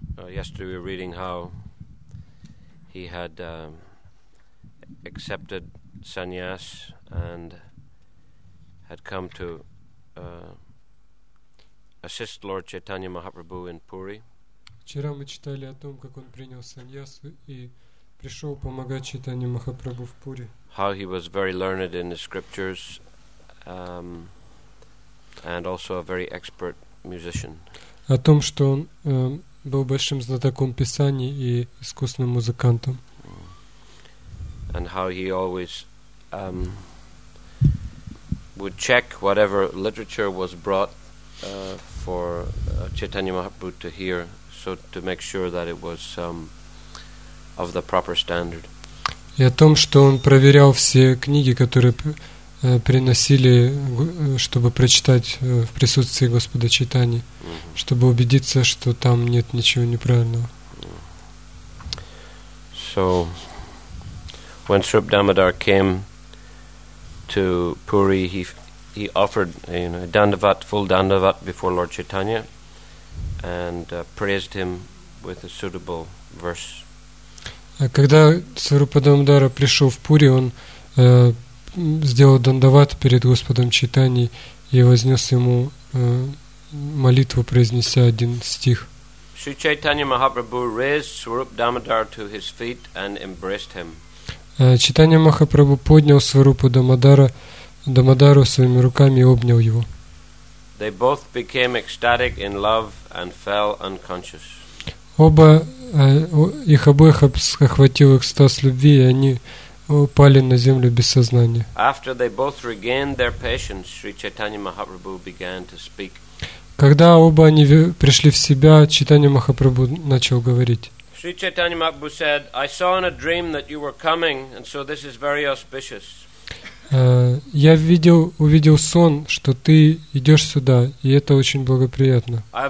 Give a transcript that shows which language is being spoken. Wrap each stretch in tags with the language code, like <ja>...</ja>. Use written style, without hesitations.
<en>Yesterday we were reading how he had accepted sannyas and had come to assist Lord Chaitanya Mahaprabhu in Puri.</en> <ru>Вчера мы читали о том, как он принял саньясу и пришел помогать Чайтанье Махапрабху в Пури.</ru> <en>How he was very learned in the scriptures, and also a very expert musician.</en> <ru>О том, что он был большим знатоком писаний и искусным музыкантом.</ru> <en>And how he always would check whatever literature was brought for Chaitanya Mahaprabhu to hear, so to make sure that it was of the proper standard.</en> <ru>И о том, что он проверял все книги, которые приносили, чтобы прочитать в присутствии Господа Чайтани, чтобы убедиться, что там нет ничего неправильного.</ru> <en>So, when Srup Damodar came to Puri, he offered, you know, dandavat, full dandavat before Lord Chaitanya, and praised him with a suitable verse.</en> <ru>Когда Сварупа Дамодара пришел в Пури, он сделал дандават перед Господом Чайтани и вознес ему молитву, произнеся один стих.</ru> <en>Шри Чайтанья Махапрабху raised Сваруп Дамодар to his feet and embraced him.</en> <ru>Чайтанья Махапрабху поднял Сварупу Дамодару своими руками и обнял его.</ru> <en>They both became ecstatic in love and fell unconscious.</en> <ru>Оба их обоих охватил экстаз любви, и они упали на землю без сознания.</ru> <en>After they both regained their patience, Sri Chaitanya Mahaprabhu began to speak.</en> <ru>Когда оба они пришли в себя, Чайтанья Махапрабху начал говорить.</ru> <en>Sri Chaitanya Mahaprabhu said, "I saw in a dream that you were coming, and so this is very auspicious."</en> <ru>Я увидел сон, что ты идешь сюда, и это очень благоприятно.</ru>